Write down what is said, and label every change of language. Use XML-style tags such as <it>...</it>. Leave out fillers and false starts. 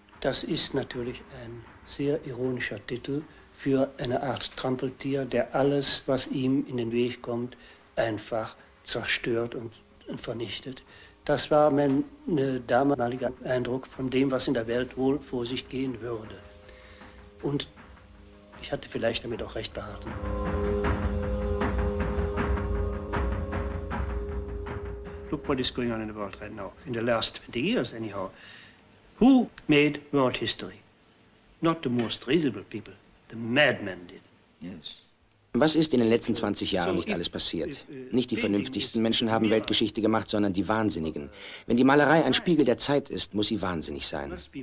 <de>Das ist natürlich ein sehr ironischer Titel für eine Art Trampeltier, der alles, was ihm in den Weg kommt, einfach zerstört und vernichtet. Das war mein damaliger Eindruck von dem, was in der Welt wohl vor sich gehen würde. Und ich hatte vielleicht damit auch recht behalten.</de> <en>Look what is going on in the world right now, in the last 20 years anyhow. Who made world history? Not the most reasonable people, the madmen did. Yes.</en> <de>Was ist in den letzten 20 Jahren nicht alles passiert? Nicht die vernünftigsten Menschen haben Weltgeschichte gemacht, sondern die Wahnsinnigen. Wenn die Malerei ein Spiegel der Zeit ist, muss sie wahnsinnig sein.</de>